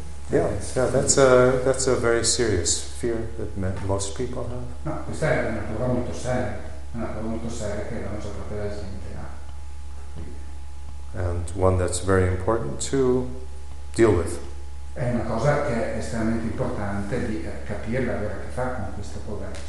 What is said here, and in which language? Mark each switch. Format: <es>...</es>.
<en>Yeah, that's a very serious fear that most people have.</en> <it>No, questa è una paura molto seria, che la maggior parte della gente ha.</it> <en>And one that's very important to deal with.</en> <it>È una cosa che è estremamente importante di capire, avere a che fare con questa paura.</it>